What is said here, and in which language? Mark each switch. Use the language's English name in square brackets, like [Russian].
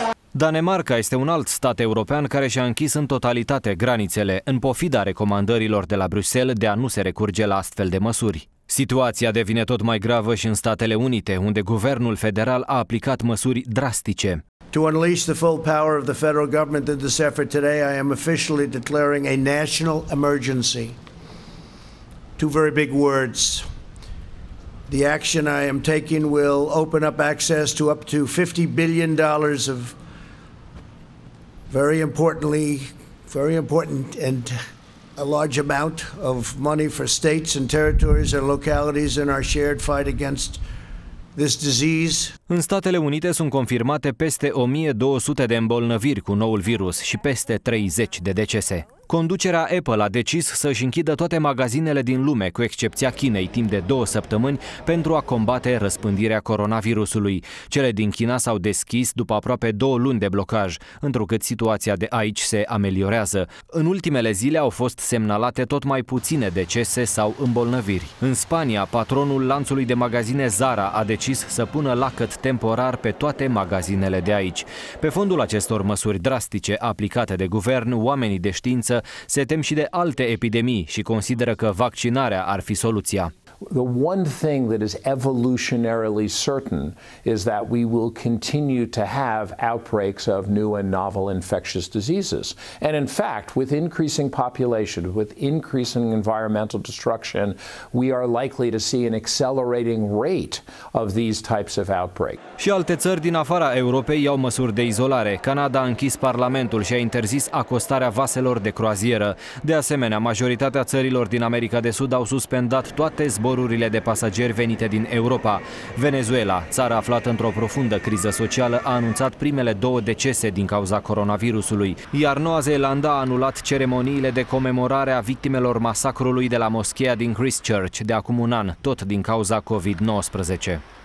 [Romanian] Danemarca este un alt stat european care și-a închis în totalitate granițele, în pofida recomandărilor de la Bruxelles de a nu se recurge la astfel de măsuri. Situația devine tot mai gravă și în Statele Unite, unde guvernul federal a aplicat măsuri drastice. [English] To unleash the full power of the federal government in this effort today, I am officially declaring a national emergency. Two very big words. The action I am taking will open up access to up to $50 billion of very important and a large amount of money for states and territories and localities in our shared fight against this disease. [Romanian] În Statele Unite sunt confirmate peste 1200 de îmbolnăviri cu noul virus și peste 30 de decese. Conducerea Apple a decis să-și închidă toate magazinele din lume, cu excepția Chinei, timp de 2 săptămâni, pentru a combate răspândirea coronavirusului. Cele din China s-au deschis după aproape 2 luni de blocaj, întrucât situația de aici se ameliorează. În ultimele zile au fost semnalate tot mai puține decese sau îmbolnăviri. În Spania, patronul lanțului de magazine Zara a decis să pună lacăt temporar pe toate magazinele de aici. Pe fondul acestor măsuri drastice aplicate de guvern, oamenii de știință se tem și de alte epidemii și consideră că vaccinarea ar fi soluția. [English] The one thing that is evolutionarily certain is that we will continue to have outbreaks of new and novel infectious diseases. And in fact, with increasing population, with increasing environmental destruction, we are likely to see an accelerating rate of these types of outbreaks. [Romanian] Și alte țări din afara Europei iau măsuri de izolare. Canada a închis parlamentul și a interzis acostarea vaselor de croazieră. De asemenea, majoritatea țărilor din America de Sud au suspendat toate zborurile de pasageri venite din Europa. Venezuela, țară aflată într-o profundă criză socială, a anunțat primele două decese din cauza coronavirusului, iar Noua Zeelandă a anulat ceremoniile de comemorare a victimelor masacrului de la moscheea din Christchurch de acum un an, tot din cauza COVID-19.